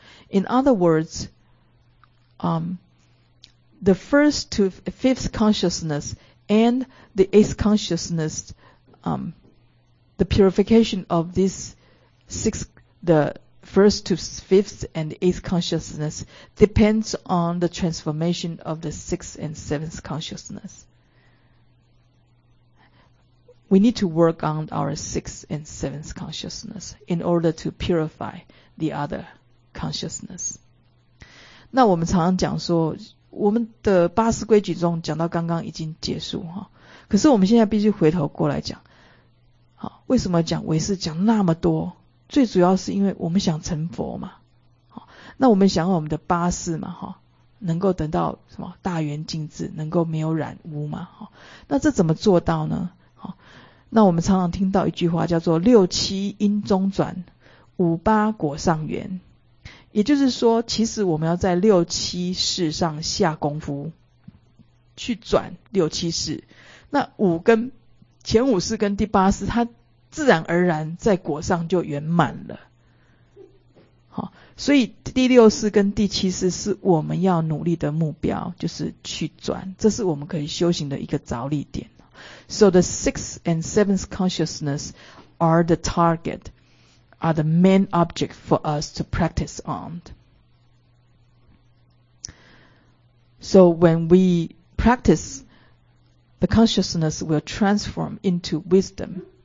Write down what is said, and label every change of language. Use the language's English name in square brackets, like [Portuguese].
[English] In other words, the first to fifth consciousness and the eighth consciousness, the purification of this sixth, the first to fifth and the eighth consciousness depends on the transformation of the sixth and seventh consciousness. We need to work on our sixth and seventh consciousness in order to purify the other consciousness. [Chinese] 那我们常常讲说，我们的八思规矩中讲到刚刚已经结束哈，可是我们现在必须回头过来讲。为什么讲唯识讲那么多？最主要是因为我们想成佛嘛。那我们想我们的八识嘛，能够等到什么大圆净智，能够没有染污嘛。那这怎么做到呢？那我们常常听到一句话叫做六七因中转，五八果上缘。也就是说，其实我们要在六七识上下功夫，去转六七识。那五跟前五识跟第八识，它自然而然在果上就圆满了。所以第六识跟第七识是我们要努力的目标，就是去转，这是我们可以修行的一个着力点。 [English] So the sixth and seventh consciousness are the target, are the main object for us to practice on. So when we practice, the consciousness will transform into wisdom.